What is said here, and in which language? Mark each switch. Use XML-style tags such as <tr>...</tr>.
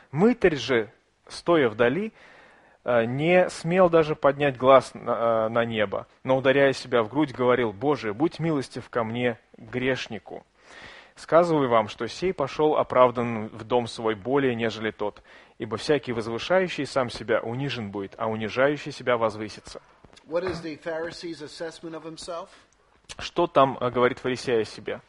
<ru>Мытарь же, стоя вдали, не смел даже поднять глаз на небо, но, ударяя себя в грудь, говорил: „Боже, будь милостив ко мне, грешнику. Сказываю вам, что сей пошел оправдан в дом свой более, нежели тот, ибо всякий возвышающий сам себя унижен будет, а унижающий себя возвысится“».</ru> <en>What is the Pharisee's assessment of himself?</en> <ru>Что там говорит фарисей о себе?</ru>